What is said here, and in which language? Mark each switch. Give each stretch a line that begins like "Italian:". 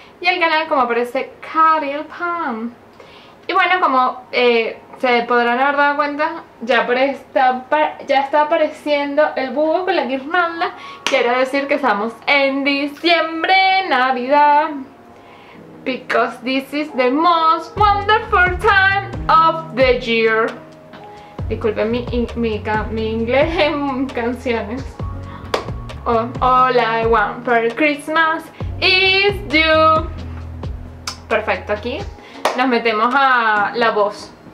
Spanish: Y el canal, como aparece, Karil Pam. Y bueno, como se podrán haber dado cuenta, ya está apareciendo el búho con la guirnalda. Quiere decir que estamos en diciembre, Navidad.
English: Because this is the most wonderful time of the year.
Spanish: Disculpen mi inglés en canciones.
English: Oh, all I want for Christmas is you.
Spanish: Perfecto, aquí nos metemos a la voz.